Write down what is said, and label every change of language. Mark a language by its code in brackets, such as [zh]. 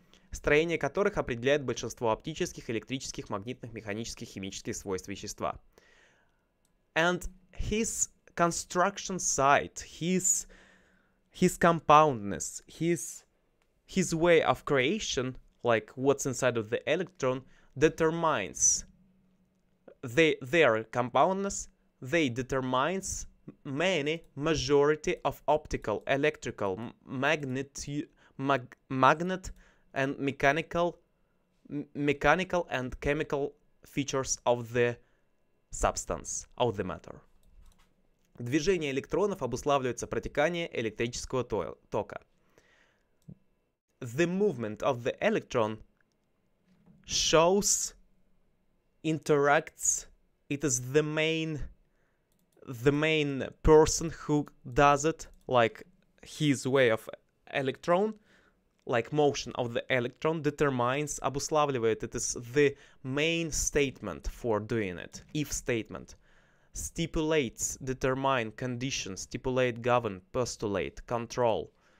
[ru] Строение которых определяет большинство оптических, электрических, магнитных, механических, химических свойств вещества. [en] And his construction site, his compoundness, his way of creation, like what's inside of the electron, determines their compoundness, they determines many majority of optical, electrical, magnet and mechanical and chemical features of the substance, of the matter. [ru] Движение электронов обуславливается протеканием электрического тока. [en] The movement of the electron shows, interacts, it is the main person who does it, like his way of electron, like motion of the electron determines, обуславливает, it is the main statement for doing it, if statement, stipulates, determine, condition, stipulate, govern, postulate, control.